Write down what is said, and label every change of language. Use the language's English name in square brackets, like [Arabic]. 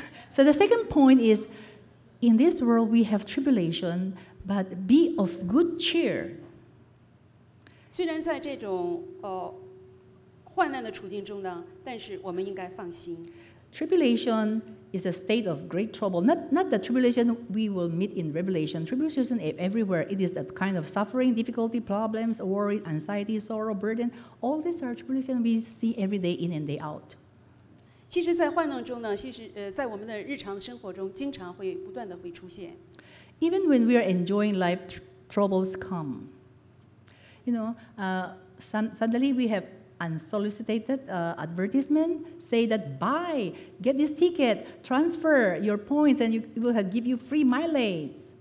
[English] So the second point is, in this world we have tribulation, but be of good cheer. [Chinese] 虽然在这种患难的处境中呢，但是我们应该放心。 [English] Tribulation is a state of great trouble. Not the tribulation we will meet in Revelation. Tribulation is everywhere. It is a kind of suffering, difficulty, problems, worry, anxiety, sorrow, burden. All these are tribulation we see every day in and day out. [Chinese] 其实在患难中呢，其实在我们的日常生活中经常会不断的会出现。 [English] Even when we are enjoying life, troubles come. You know, suddenly we have unsolicited advertisement say that buy, get this ticket, transfer your points, and it will give you free mileage.